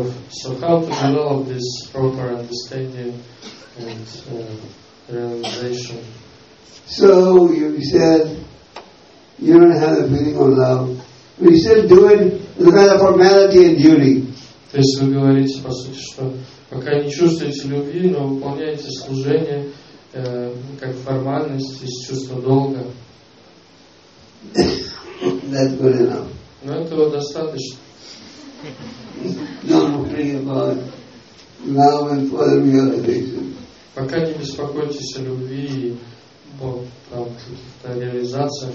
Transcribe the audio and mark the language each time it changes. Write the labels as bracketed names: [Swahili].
[English] So how to develop this proper understanding and realization? So you said you don't have a feeling of love. We still do it as a matter of formality and duty. [Russian] То есть вы говорите, по сути, что пока не чувствуете любви, но выполняете служение как формальность из чувства долга. [English] That's good enough. [Russian] Но этого достаточно. [English] No, no, pray about love and for the realization. [Russian] Пока не беспокойтесь о любви и о каких-то реализациях.